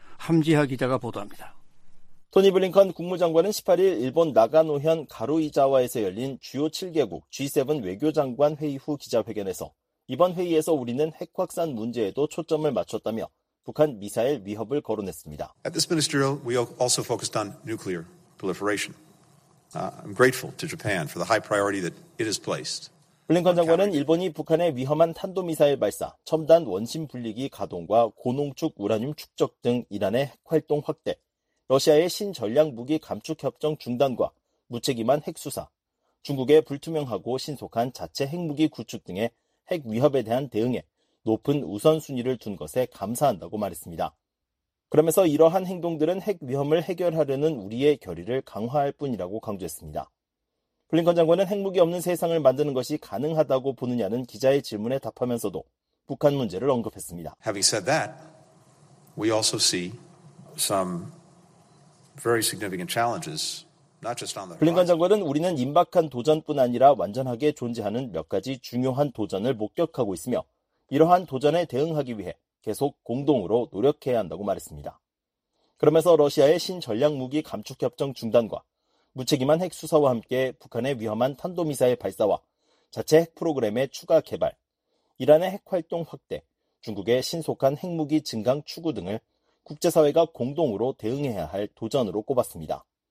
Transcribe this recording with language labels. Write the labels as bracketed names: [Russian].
[Korean] 함지하 기자가 보도합니다. 토니 블링컨 국무장관은 18일 일본 나가노현 가루이자와에서 열린 주요 7개국 G7 외교장관 회의 후 기자회견에서 이번 회의에서 우리는 핵 확산 문제에도 초점을 맞췄다며 북한 미사일 위협을 거론했습니다. [English] At this ministerial, we also focused on nuclear proliferation. I'm grateful to Japan for the high priority that it has placed. [Korean] 블링컨 장관은 일본이 북한의 위험한 탄도미사일 발사, 첨단 원심 분리기 가동과 고농축 우라늄 축적 등 이란의 핵 활동 확대, 러시아의 신전략무기 감축협정 중단과 무책임한 핵수사, 중국의 불투명하고 신속한 자체 핵무기 구축 등의 핵 위협에 대한 대응에 높은 우선순위를 둔 것에 감사한다고 말했습니다. 그러면서 이러한 행동들은 핵 위험을 해결하려는 우리의 결의를 강화할 뿐이라고 강조했습니다. 블링컨 장관은 핵무기 없는 세상을 만드는 것이 가능하다고 보느냐는 기자의 질문에 답하면서도 북한 문제를 언급했습니다. [English] Having said that, we also see some very significant challenges, not just on the [Korean] 블링컨 장관은 우리는 임박한 도전뿐 아니라 완전하게 존재하는 몇 가지 중요한 도전을 목격하고 있으며 이러한 도전에 대응하기 위해 계속 공동으로 노력해야 한다고 말했습니다. 그러면서 러시아의 신전략무기 감축협정 중단과 무책임한 핵수사와 함께 북한의 위험한 탄도미사일 발사와 자체 핵 프로그램의 추가 개발, 이란의 핵활동 확대, 중국의 신속한 핵무기 증강 추구 등을 국제사회가 공동으로 대응해야 할 도전으로 꼽았습니다.